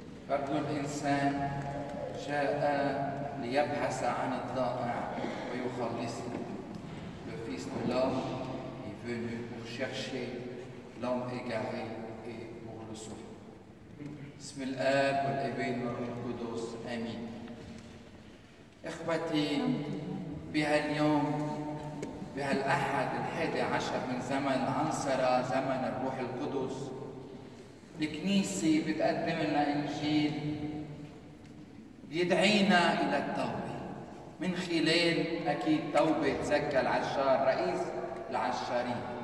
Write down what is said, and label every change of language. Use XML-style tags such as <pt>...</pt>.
<ar>رب الإنسان جاء ليبحث عن الضائع ويخلصه.</ar> <fr>Le Fils de l'homme est venu pour chercher l'homme égaré et pour le sauver.</fr> <ar>بسم الآب والابن والروح القدس آمين. إخوتي بهاليوم بهالأحد الحادي عشر من زمن عنصرة زمن الروح القدس الكنيسة بتقدم لنا إنجيل بيدعينا إلى التوبة من خلال أكيد توبة زكا العشار رئيس العشارين.</ar>